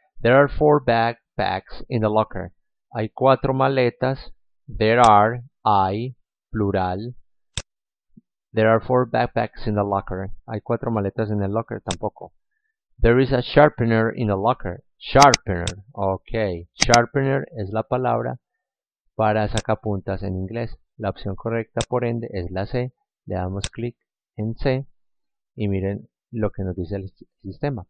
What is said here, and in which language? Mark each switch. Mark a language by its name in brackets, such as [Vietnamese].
[English] There are four backpacks in the locker. [Spanish] Hay cuatro maletas. [English] There are, hay, plural. There are four backpacks in the locker. [Spanish] Hay cuatro maletas en el locker, tampoco. [English] There is a sharpener in the locker. Sharpener, ok. [Spanish] Sharpener es la palabra para sacapuntas en inglés. La opción correcta, por ende, es la C. Le damos clic en C. Y miren lo que nos dice el sistema.